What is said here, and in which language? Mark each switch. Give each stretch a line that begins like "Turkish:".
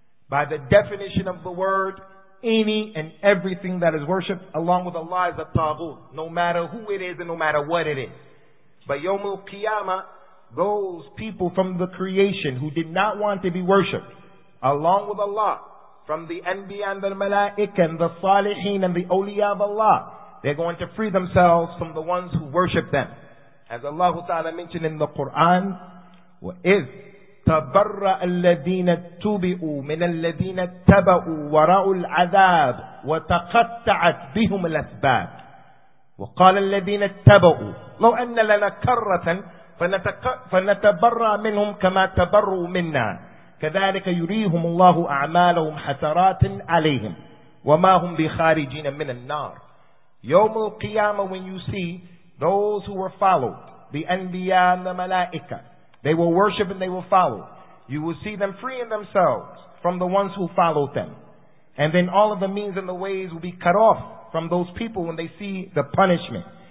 English: By the definition of the word, any and everything that is worshipped along with Allah is a taghut, no matter who it is and no matter what it is. But Yawmul Qiyamah, those people from the creation who did not want to be worshipped along with Allah, from the Anbiya and the Malaika and the Salihin and the Awliya of Allah, they're going to free themselves from the ones who worship them. As Allah Ta'ala mentioned in the Quran,
Arabic: وَإِذْ تَبَرَّأَ الَّذِينَ تُبِئُوا مِنَ الَّذِينَ تَبَأُوا وَرَأُوا الْعَذَابُ وَتَقَطَّعَتْ بِهُمُ الْأَسْبَابُ وَقَالَ الَّذِينَ اتَّبَعُوا لَوْ أَنَّ لَنَا كَرَّةً فَنَتَبَرَّأَ مِنْهُمْ كَمَا تَبَرَّؤُوا مِنَّا كَذَلِكَ يُرِيهِمُ اللَّهُ أَعْمَالَهُمْ حَسَرَاتٍ عَلَيْهِمْ وَمَا هُمْ بِخَارِجِينَ مِنَ النَّارِ. يَوْمَ الْقِيَامَةِ
English: when you see those who were followed, the anbiya and the malaika, they will worship and they will follow. You will see them freeing themselves from the ones who followed them. And then all of the means and the ways will be cut off from those people when they see the punishment.